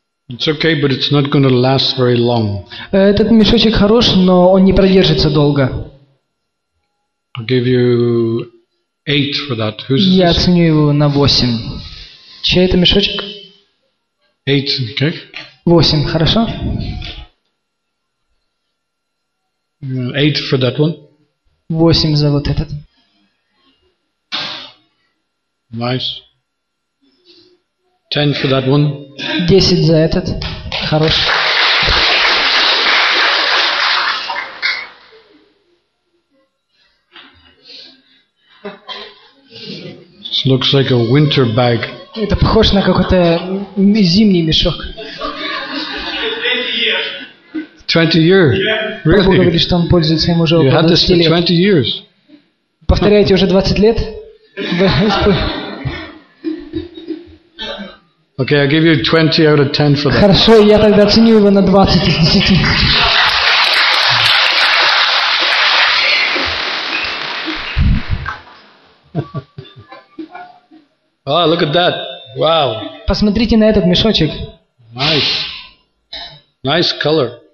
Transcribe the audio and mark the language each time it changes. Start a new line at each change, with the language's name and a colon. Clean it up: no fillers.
English: It's okay, but it's not going to last very long.
Russian: Этот мешочек хорош, но он не продержится долго.
English: I'll give you 8 for that. Who's
Russian: Я оценю его на 8. Чей это мешочек?
English: 8, okay.
Russian: 8, хорошо.
English: 8 for that one.
Russian: 8 за вот этот.
English: Nice. 10 for that one.
Russian: 10 за этот. Хорош.
English: This looks like a winter bag.
Russian: Это похож на какой-то зимний мешок.
English: 20 years. Really?
Russian: Говорит, что он пользуется им уже 20 лет.
English: 20 years.
Russian: Повторяете уже 20 лет?
English: Okay, I'll give you 20 out of 10 for that.
Russian: Хорошо, я тогда оценю его на 20 из 10.
English: Oh, look at that. Wow.
Russian: Посмотрите на этот мешочек.
English: Nice. Nice color.